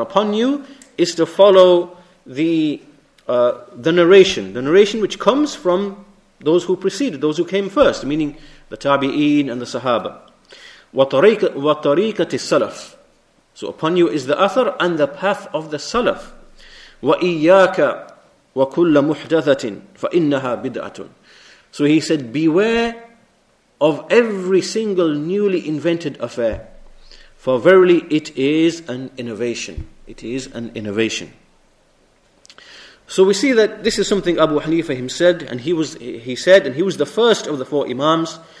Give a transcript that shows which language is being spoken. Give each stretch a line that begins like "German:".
English: Upon you is to follow the narration which comes from those who preceded, those who came first, meaning the Tabi'een and the Sahaba.
Arabic: وطريقة السلف.
English: So upon you is the Athar and the path of the Salaf.
Arabic: وإياك وكل محدثة فإنها بدعة.
English: So he said, beware of every single newly invented affair, for verily it is an innovation. It is an innovation. So we see that this is something Abu Hanifa himself, and he was the first of the four Imams.